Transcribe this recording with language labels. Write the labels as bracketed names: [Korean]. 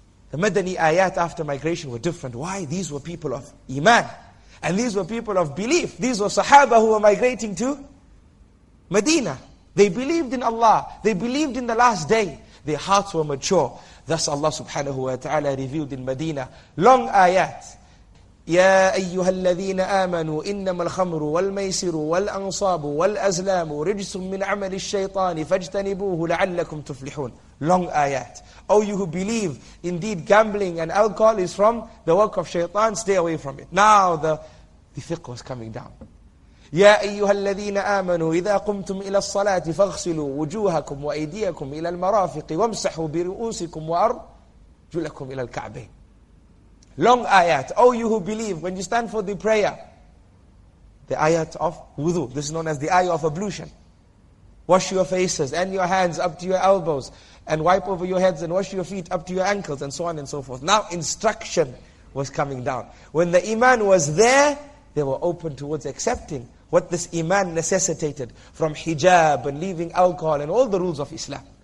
[English] The Madani ayat after migration were different. Why? These were people of iman and these were people of belief. These were sahaba who were migrating to Medina. They believed in Allah. They believed in the last day. Their hearts were mature. Thus Allah subhanahu wa ta'ala revealed in Medina long ayat. [Arabic] يا أيها الذين آمنوا إنما الخمر والميسر والأنصاب والأزلام رجس من عمل الشيطان فاجتنبوه لعلكم تفلحون. [English] Long ayat. Oh, you who believe, indeed gambling and alcohol is from the work of shaitan, stay away from it. Now the fiqh was coming down. [Arabic] يا أيها الذين آمنوا إذا قمتم إلى الصلاة فاغسلوا وجوهكم وأيديكم إلى المرافق وامسحوا برؤوسكم وأرجلكم إلى الكعبين. [English] Long ayat, oh you who believe, when you stand for the prayer, the ayat of wudu, this is known as the ayah of ablution. Wash your faces and your hands up to your elbows and wipe over your heads and wash your feet up to your ankles and so on and so forth. Now instruction was coming down. When the iman was there, they were open towards accepting what this iman necessitated from hijab and leaving alcohol and all the rules of Islam.